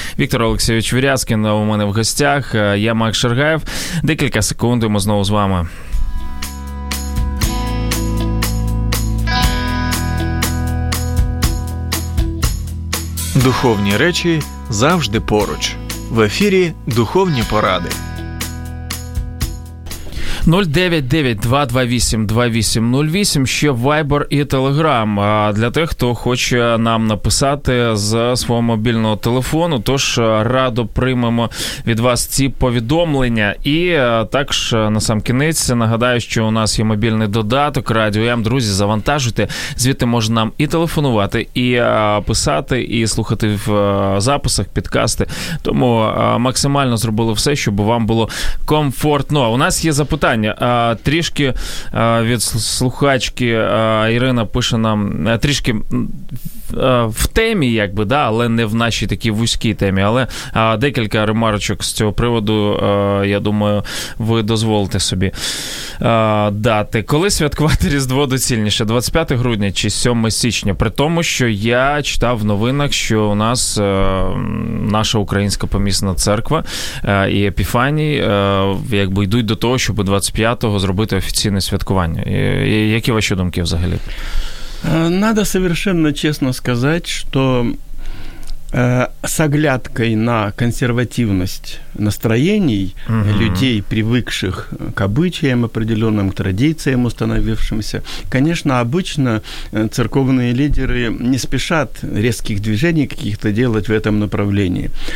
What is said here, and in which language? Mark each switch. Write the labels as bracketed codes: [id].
[uk] Віктор Олексійович Вірязкін у мене в гостях. Я Макс Шаргаєв. Декілька секунд, ми знову з вами. Духовні речі завжди поруч. В ефірі «Духовні поради». 099-228-2808, ще Viber і Telegram для тих, хто хоче нам написати з свого мобільного телефону, тож радо приймемо від вас ці повідомлення. І також на сам кінець нагадаю, що у нас є мобільний додаток Радіо М. Друзі, завантажуйте, звідти можна нам і телефонувати, і писати, і слухати в записах, підкасти. Тому максимально зробили все, щоб вам було комфортно. У нас є запитання. Трішки від слухачки Ірина пише нам, трішки в темі, якби, да, але не в нашій такій вузькій темі. Але декілька ремарочок з цього приводу, я думаю, ви дозволите собі дати. Коли святкувати Різдво доцільніше? 25 грудня чи 7 січня? При тому, що я читав в новинах, що у нас наша українська помісна церква і Епіфаній якби йдуть до того, щоб 25-го зробити офіційне святкування. Які ваші думки взагалі? [ru] Надо совершенно честно сказать, что с оглядкой на консервативность настроений людей, привыкших к обычаям определенным, к традициям установившимся, конечно, обычно церковные лидеры не спешат резких движений каких-то делать в этом направлении.